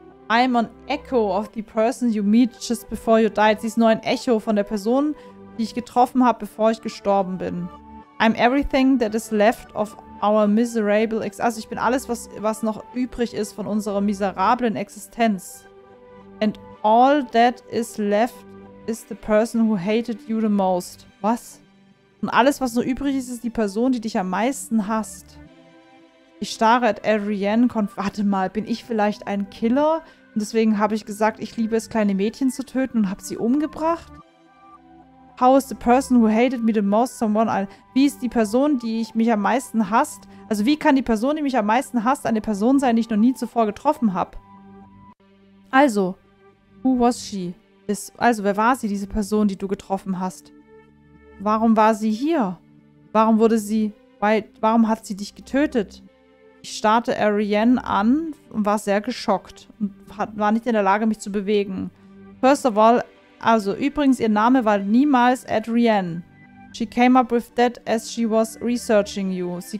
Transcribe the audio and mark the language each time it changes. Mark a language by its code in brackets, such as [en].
[en] I'm an echo of the person you meet just before you died. [de] Sie ist nur ein Echo von der Person, die ich getroffen habe, bevor ich gestorben bin. [en] I'm everything that is left of our miserable [de] Also ich bin alles, was noch übrig ist von unserer miserablen Existenz. [en] And all that is left is the person who hated you the most. [de] Was? Und alles, was noch übrig ist, ist die Person, die dich am meisten hasst. Ich starre at Ariane. Warte mal, bin ich vielleicht ein Killer? Und deswegen habe ich gesagt, ich liebe es, kleine Mädchen zu töten und habe sie umgebracht? [en] How is the person who hated me the most someone I... [de] Wie ist die Person, die mich am meisten hasst? Also wie kann die Person, die mich am meisten hasst, eine Person sein, die ich noch nie zuvor getroffen habe? Also, [en] who was she? [de] Wer war sie, diese Person, die du getroffen hast? Warum war sie hier? Warum wurde sie... Warum hat sie dich getötet? Ich starrte Ariane an und war sehr geschockt. Und war nicht in der Lage, mich zu bewegen. [en] First of all... [de] Also, übrigens, ihr Name war niemals Ariane. [en] She came up with that as she was researching you.